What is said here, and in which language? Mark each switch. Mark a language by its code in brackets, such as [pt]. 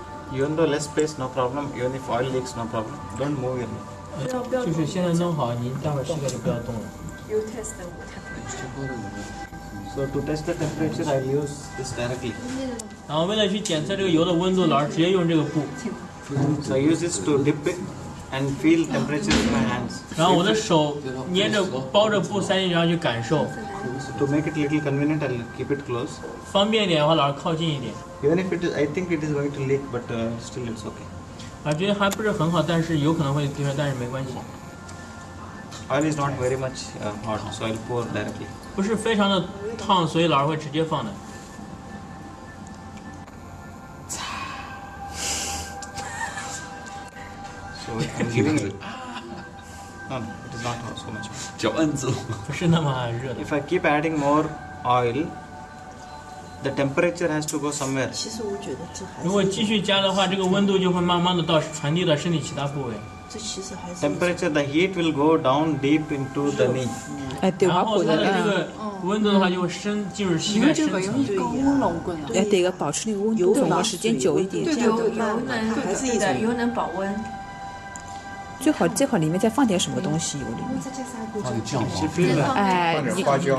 [zh] 对。 [en] Even though less space, no problem. Even if oil leaks, no problem. Don't move it. [zh] 就是现在弄好，您待会儿膝盖就不要动了。 [en] You test the water. So to test the temperature, I use this directly. [zh] 然后为了去检测这个油的温度，老师直接用这个布。 [en] So I use this to dip it and feel temperature in my hands. [zh] 然后我的手捏着包着布塞进去，然后去感受。 [en] To make it a little convenient, I'll keep it close. [zh] 方便一点的话，老师靠近一点。 [en] Even if it is, I think it is going to leak, but still it's okay. [zh] 我觉得还不是很好，但是有可能会滴出来，但是没关系。 [en] Oil is not very much hot, so I'll pour directly. [zh] 不是非常的烫，所以老师会直接放的。 [en] So I'm giving it. No, it is not so much. [zh] 脚摁住了。不是那么热的。 [en] If I keep adding more oil, the temperature has to go somewhere. [zh] 其实我觉得这还是。如果继续加的话，这个温度就会慢慢的到传递到身体其他部位。 [en] Temperature, the heat will go down deep into the knee. [zh] 哎，对，然后它的这个温度的话就会深进入膝盖深层。因为这个容易高温龙棍了。哎，得个保持那个温度，保持时间久一点，对，油能还是的，油能保温。最好里面再放点什么东西油里面。放点酱黄，放点花椒，